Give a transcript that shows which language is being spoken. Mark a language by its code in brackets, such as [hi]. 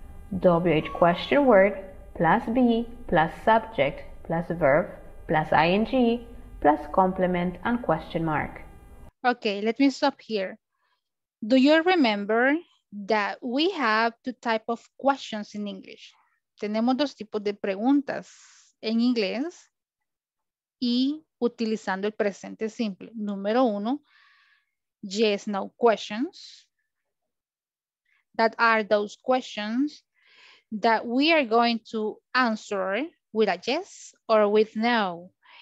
[en] WH question word plus be plus subject plus verb plus ing plus complement and question mark. Okay, let me stop here. Do you remember that we have two types of questions in English? [es] Tenemos dos tipos de preguntas en inglés y utilizando el presente simple. [en] Número uno, yes, no questions. That are those questions that we are going to answer with a yes or with no.